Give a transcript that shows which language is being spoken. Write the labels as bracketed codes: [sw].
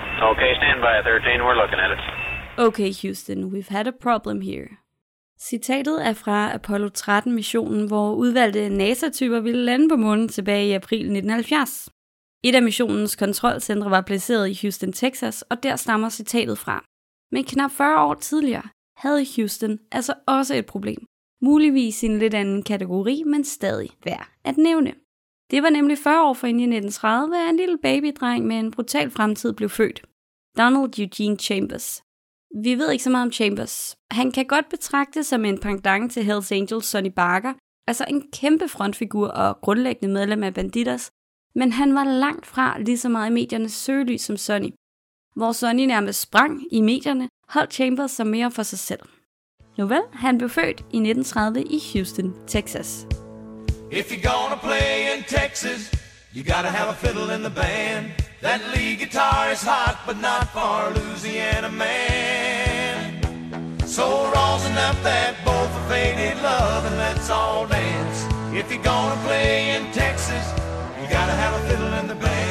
[en] Okay, stand by 13, we're looking at it. Okay, Houston, we've had a problem here. [da] Citatet er fra Apollo 13-missionen, hvor udvalgte NASA-typer ville lande på månen tilbage i april 1970. Et af missionens kontrolcentre var placeret i Houston, Texas, og der stammer citatet fra. Men knap 40 år tidligere havde Houston altså også et problem. Muligvis i en lidt anden kategori, men stadig værd at nævne. Det var nemlig 40 år forinde i 1930, at en lille babydreng med en brutal fremtid blev født. Donald Eugene Chambers. Vi ved ikke så meget om Chambers. Han kan godt betragtes som en pendant til Hells Angels Sonny Barker, altså en kæmpe frontfigur og grundlæggende medlem af Banditters, men han var langt fra lige så meget i mediernes søgelys som Sonny. Hvor Sonny nærmest sprang i medierne, holdt Chambers sig mere for sig selv. Nuvel, han blev født i 1930 i Houston, Texas. [en] If you're gonna play in Texas, you gotta have a fiddle in the band. That lead guitar is hot, but not for a Louisiana man. So raw's enough that both are faded love, and let's all dance. If you're gonna play in Texas, you gotta have a fiddle in the band.